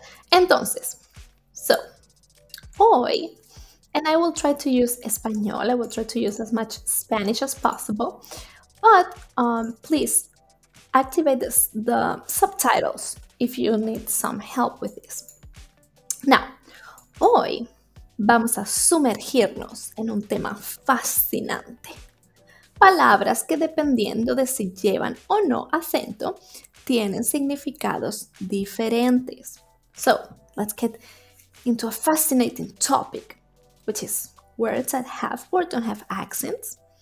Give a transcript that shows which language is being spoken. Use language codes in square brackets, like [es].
[es] Entonces, [en] so, hoy, and I will try to use español, I will try to use as much Spanish as possible. But please activate the subtitles if you need some help with this. [es] Now, hoy vamos a sumergirnos en un tema fascinante. Palabras que dependiendo de si llevan o no acento, tienen significados diferentes. [en] So, let's get into a fascinating topic, which is words that have or don't have accents.